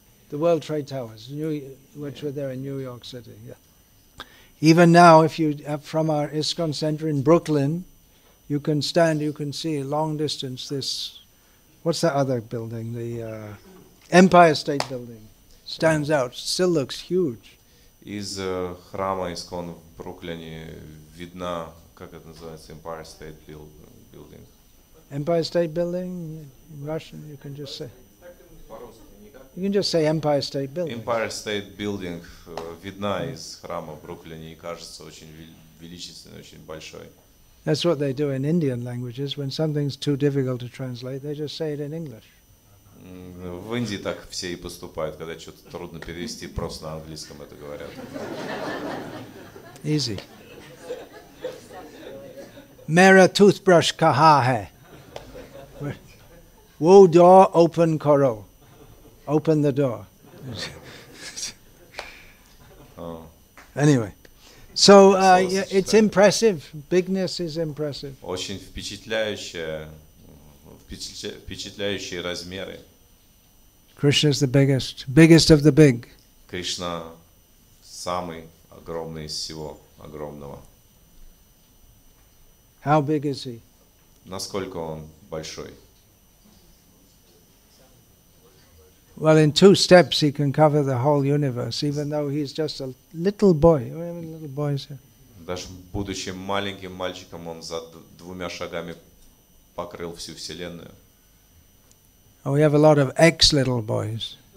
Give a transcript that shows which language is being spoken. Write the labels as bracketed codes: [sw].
[en] The World Trade Towers, were there in New York City. Yeah. Even now, if you from our ISKCON center in Brooklyn, you can stand, you can see long distance this. What's that other building? The Empire State Building stands out. Still looks huge. [ru] Из храма ISKCON в Бруклине видна, как это называется, Empire State Building. [en] Empire State Building? In Russian, you can just say. You can just say Empire State Building. [ru] Empire State Building видна из храма в Бруклине и кажется очень величественной, очень большой. [en] That's what they do in Indian languages. When something's too difficult to translate, they just say it in English. [ru] В Индии так все и поступают, когда что-то трудно перевести, просто на английском это говорят. [en] Easy. [hi] Mera toothbrush kaha hai. Wo door open karo. [en] Open the door. Anyway. So it's impressive. Bigness is impressive. [ru] Очень впечатляющие размеры. [en] Krishna is the biggest of the big. [ru] Кришна самый огромный из всего огромного. [en] How big is he? [ru] Насколько он большой? [en] Well, in two steps he can cover the whole universe, even though he's just a little boy. We have little boys here. [ru] Даже будучи маленьким мальчиком, он за двумя шагами покрыл всю вселенную. [en] Oh, we have a lot of ex-little boys.